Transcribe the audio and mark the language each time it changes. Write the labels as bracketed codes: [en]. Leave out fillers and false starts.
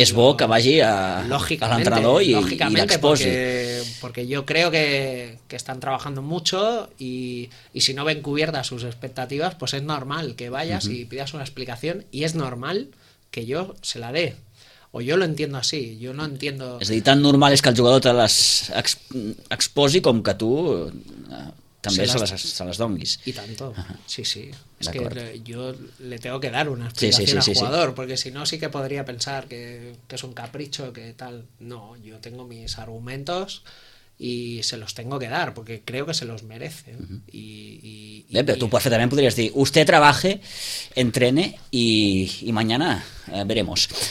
[ca] Es bo que vagi a l'entrenador i l'exposi. [es] Porque yo creo que están trabajando mucho y si no ven cubiertas sus expectativas, pues es normal que vayas y pidas una explicación y es normal que yo se la dé. O yo lo entiendo así, yo no entiendo... [ca] És a dir, tan normal és que el jugador te les exposi com que tu... també se les donguis. I tant, sí, sí. És que jo [es] le tengo que dar una explicación al jugador, sí. Porque si no sí que podría pensar que es un capricho, que tal. No, yo tengo mis argumentos y se los tengo que dar, porque creo que se los merecen. [ca] Bé, però tu perfectament podries dir, [es] usted trabaje, entrene y mañana veremos.